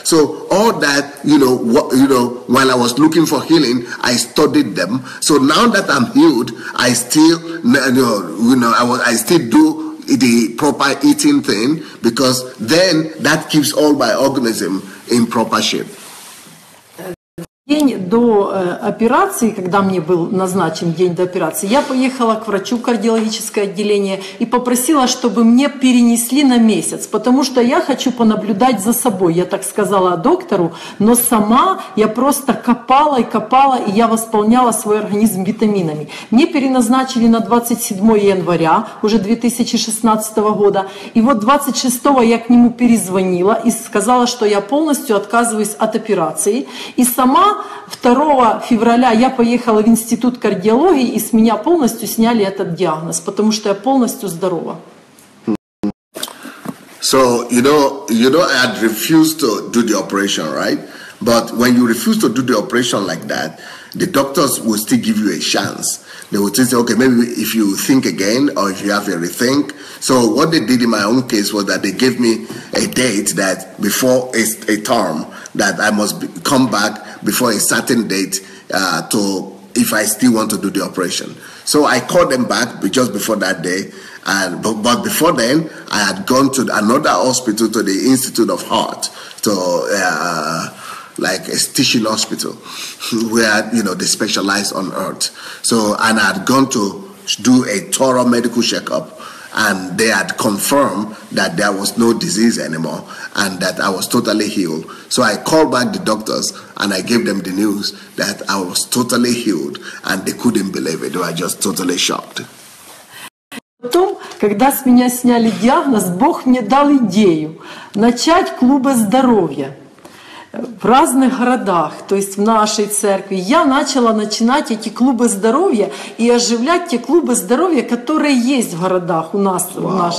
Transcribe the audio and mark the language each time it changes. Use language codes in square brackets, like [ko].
[en] So all that, you know, while I was looking for healing, I studied them. So now that I'm healed, I still, I still do the proper eating thing, because then that keeps all my organism in proper shape. [ru] День до операции, когда мне был назначен день до операции, я поехала к врачу, кардиологическое отделение, и попросила, чтобы мне перенесли на месяц, потому что я хочу понаблюдать за собой. Я так сказала доктору, но сама я просто копала и копала, и я восполняла свой организм витаминами. Мне переназначили на 27 января, уже 2016 года, и вот 26 я к нему перезвонила и сказала, что я полностью отказываюсь от операции, и сама 2 февраля я поехала в институт кардиологии, и с меня полностью сняли этот диагноз, потому что я полностью здорова. [en] So, I had refused to do the operation, right? But when you refuse to do the operation like that, the doctors will still give you a chance. They would say, okay, maybe if you think again or if you have a rethink. So what they did in my own case was that they gave me a date that before a term that I must come back before a certain date to if I still want to do the operation. So I called them back just before that day. But before then, I had gone to another hospital, to the Institute of Heart, to like a teaching hospital where, you know, they specialize on earth. So, and I had gone to do a thorough medical checkup, and they had confirmed that there was no disease anymore and that I was totally healed. So I called back the doctors and I gave them the news that I was totally healed, and they couldn't believe it. They were just totally shocked. [ru] Потом, когда с меня сняли диагноз, Бог мне дал идею начать клубы здоровья в разных городах, то есть в нашей церкви. Я начала начинать эти клубы здоровья и оживлять те клубы здоровья, которые есть в городах у нас, wow.